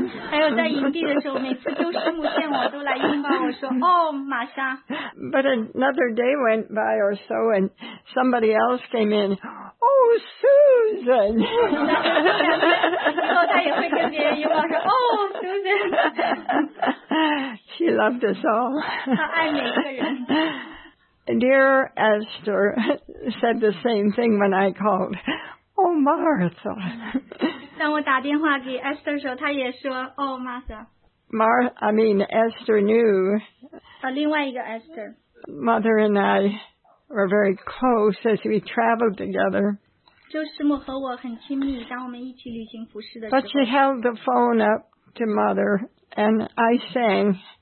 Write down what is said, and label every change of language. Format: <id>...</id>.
<zh>还有在营地的时候，每次周师母见我都来拥抱我说：“哦，玛莎。”</zh> <en>But another day went by or so, and somebody else came in. Oh, Susan.</en> <zh>然后他也会跟别人拥抱说：“哦 ，Susan。”</zh> <en>She loved us all.</en> <zh>她爱每一个人。</zh> <en>Dear Esther said the same thing when I called. Oh, Martha.</en> <zh>当我打电话给 Esther 时候，她也说 ，</zh> <en>Oh, Martha. Esther knew.</en> <zh>另外一个 Esther.</zh> <en>Mother and I were very close as we traveled together.</en> <zh>周师母和我很亲密，当我们一起旅行服侍的时候。</zh> <en>But she held the phone up to Mother, and I sang.</en>